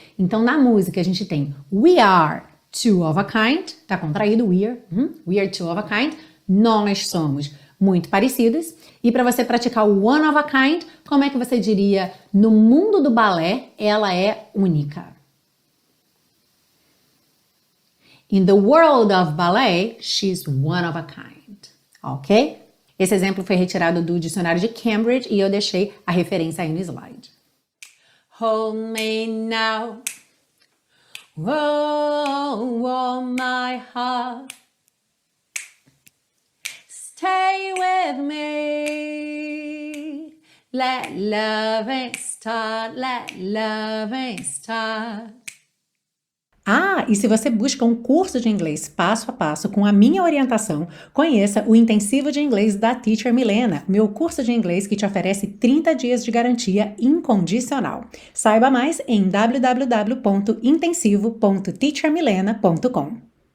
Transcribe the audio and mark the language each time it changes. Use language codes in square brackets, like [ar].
[pt] Então, na música, a gente tem [en] we are two of a kind, [pt] tá contraído, we are two of a kind, nós somos muito parecidos. E para você praticar o one of a kind, como é que você diria no mundo do balé, ela é única? [en] In the world of ballet, she's one of a kind, ok? [pt] Esse exemplo foi retirado do dicionário de Cambridge e eu deixei a referência aí no slide. [en] Hold me now. Oh, oh, my heart, stay with me, let love start, let love start. [pt] Ah, e se você busca um curso de inglês passo a passo com a minha orientação, conheça o Intensivo de Inglês da Teacher Milena, meu curso de inglês que te oferece 30 dias de garantia incondicional. Saiba mais em www.intensivo.teachermilena.com.